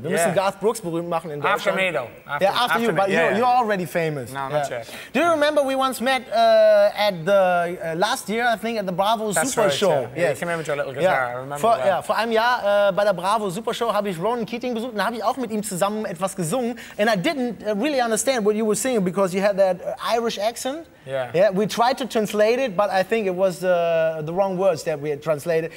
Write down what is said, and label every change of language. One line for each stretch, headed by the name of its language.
German: We müssen Garth Brooks berühmt machen in Deutschland.
English: After me though. You're already famous. No, not yet. Do you remember we once met at the last year, I think, at the Bravo Super Show? Yeah, I came in with your little guitar, I remember
German: vor,
English: that. Yeah,
German: vor einem Jahr bei der Bravo Super Show habe ich Ronan Keating besucht und da habe ich auch mit ihm zusammen etwas gesungen.
English: And I didn't really understand what you were singing because you had that Irish accent. Yeah. We tried to translate it, but I think it was the wrong words that we had translated.